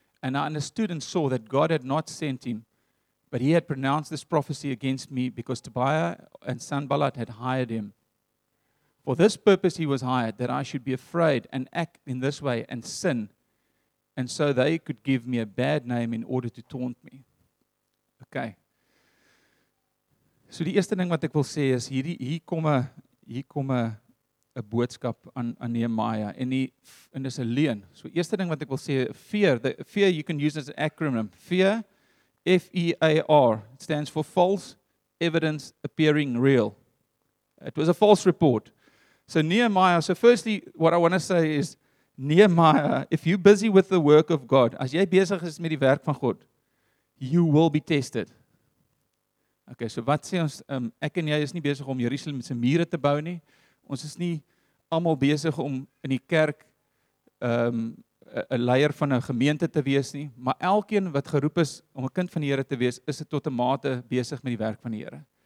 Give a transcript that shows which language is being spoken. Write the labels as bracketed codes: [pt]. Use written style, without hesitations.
[en] And I understood and saw that God had not sent him, but he had pronounced this prophecy against me because Tobiah and Sanballat had hired him. For this purpose he was hired, that I should be afraid and act in this way and sin, and so they could give me a bad name in order to taunt me. Okay. [af] So die eerste ding wat ek wil sê is, hier kom 'n boodskap aan Nehemiah, en dis 'n leen. So eerste ding wat ek wil sê, [en] fear, you can use as an acronym, fear, F-E-A-R, it stands for false evidence appearing real. It was a false report. So Nehemiah, so firstly, what I want to say is, Nehemiah, if you're busy with the work of God, [af] as jy besig is met die werk van God, [en] you will be tested. [af] Okay, so wat sê ons, ek en jy is nie besig om Jerusalem se mure te bou nie. Ons is nie almal besig om in die kerk 'n leier van 'n gemeente te wees nie. Maar elkeen wat geroep is om 'n kind van die Here te wees, is tot 'n mate besig met die werk van die Here.